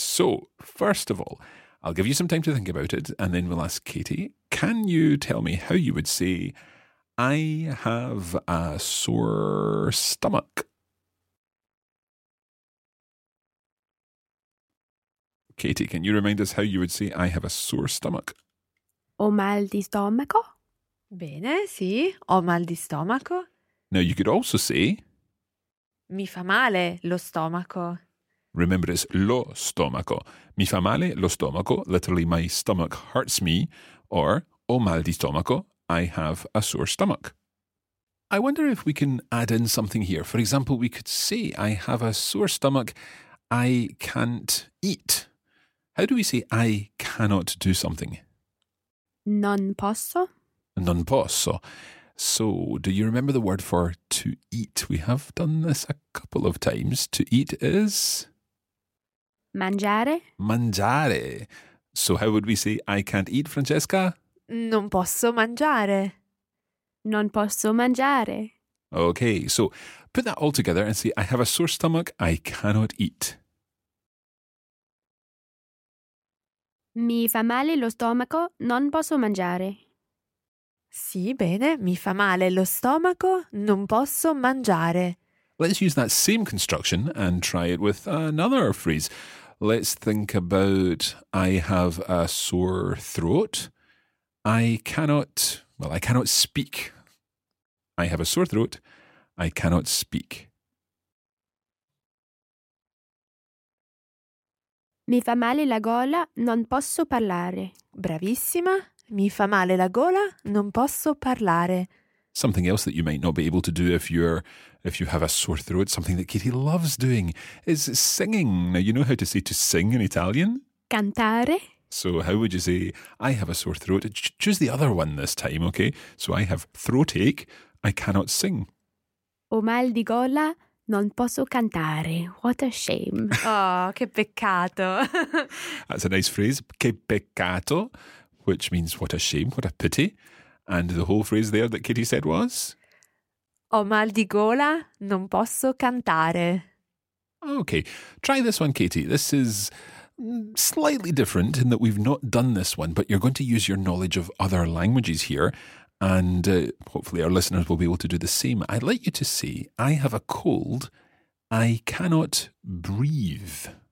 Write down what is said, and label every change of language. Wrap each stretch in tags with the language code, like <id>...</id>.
<en>So, first of all, I'll give you some time to think about it, and then we'll ask Katie, can you tell me how you would say, I have a sore stomach? Katie, can you remind us how you would say, I have a sore stomach?</en> <it>Ho mal di stomaco. Bene, sì, ho mal di stomaco.</it> <en>Now, you could also say,</en> <it>mi fa male lo stomaco.</it> <en>Remember, it's</en> <it>lo stomaco. Mi fa male lo stomaco,</it> <en>literally my stomach hurts me, or</en> <it>o mal di stomaco,</it> <en>I have a sore stomach. I wonder if we can add in something here. For example, we could say, I have a sore stomach, I can't eat. How do we say, I cannot do something?</en> <it>Non posso. Non posso.</it> <en>So, do you remember the word for to eat? We have done this a couple of times. To eat is?</en> <it>Mangiare. Mangiare.</it> <en>So how would we say I can't eat, Francesca?</en> <it>Non posso mangiare. Non posso mangiare.</it> <en>Okay, so put that all together and say, I have a sore stomach, I cannot eat.</en> <it>Mi fa male lo stomaco, non posso mangiare. Sì, bene, mi fa male lo stomaco, non posso mangiare.</it> <en>Let's use that same construction and try it with another phrase. Let's think about, I have a sore throat, I cannot speak. I have a sore throat, I cannot speak.</en> <it>Mi fa male la gola, non posso parlare. Bravissima, mi fa male la gola, non posso parlare.</it> <en>Something else that you might not be able to do if you have a sore throat, something that Katie loves doing, is singing. Now, you know how to say to sing in Italian?</en> <it>Cantare.</it> <en>So how would you say, I have a sore throat? Choose the other one this time, okay? So I have throatache, I cannot sing.</en> <it>Ho mal di gola, non posso cantare.</it> <en>What a shame.</en> <it>Oh, che peccato.</it> <en>That's a nice phrase,</en> <it>che peccato,</it> <en>which means what a shame, what a pity. And the whole phrase there that Katie said was?</en> <it>Ho mal di gola, non posso cantare.</it> <en>Okay, try this one, Katie. This is slightly different in that we've not done this one, but you're going to use your knowledge of other languages here, and hopefully our listeners will be able to do the same. I'd like you to say, I have a cold, I cannot breathe.</en>